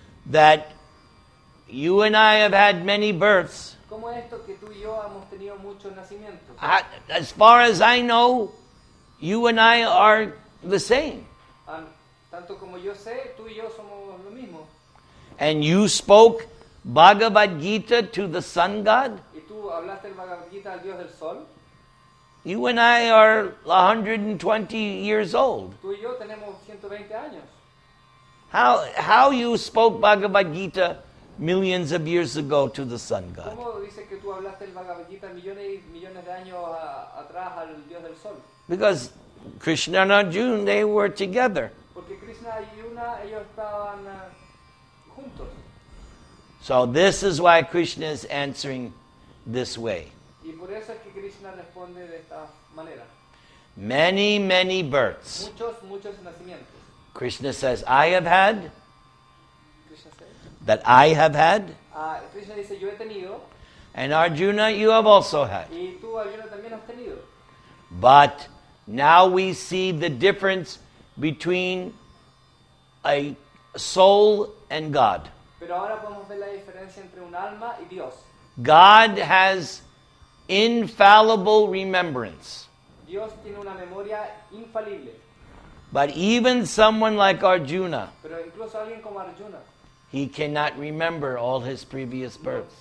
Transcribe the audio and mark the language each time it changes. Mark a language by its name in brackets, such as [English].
[English] That you and I have had many births. [Spanish] ¿Cómo es esto que tú y yo hemos tenido muchos nacimientos? [English] As far as I know, you and I are the same. [Spanish] Tanto como yo sé, tú y yo somos lo mismo. [English] And you spoke Bhagavad Gita to the sun god? [Spanish] ¿Y tú hablaste el Bhagavad Gita al Dios del Sol? [English] You and I are 120 years old. [Spanish] Tú y yo tenemos 120 años. [English] How you spoke Bhagavad Gita millions of years ago to the sun god? [Spanish] ¿Cómo dices que tú hablaste el Bhagavad Gita millones y millones de años atrás al Dios del Sol? [English] Because Krishna and Arjuna, they were together. [Spanish] Porque Krishna y Arjuna, ellos estaban juntos. [English] So this is why Krishna is answering this way. [Spanish] Y por eso es que Krishna responde de esta manera. [English] Many, many births. [Spanish] Muchos, muchos nacimientos. [English] Krishna says, I have had. Krishna says. That I have had. [Spanish] Krishna dice, yo he tenido. [English] And Arjuna, you have also had. [Spanish] Y tú, Arjuna, también has tenido. [English] But now we see the difference between a soul and God. [Spanish] Pero ahora podemos ver la diferencia entre un alma y Dios. [English] God has infallible remembrance. [Spanish] Dios tiene una memoria infalible. [English] But even someone like Arjuna, [Spanish] pero incluso alguien como Arjuna, [English] he cannot remember all his previous births.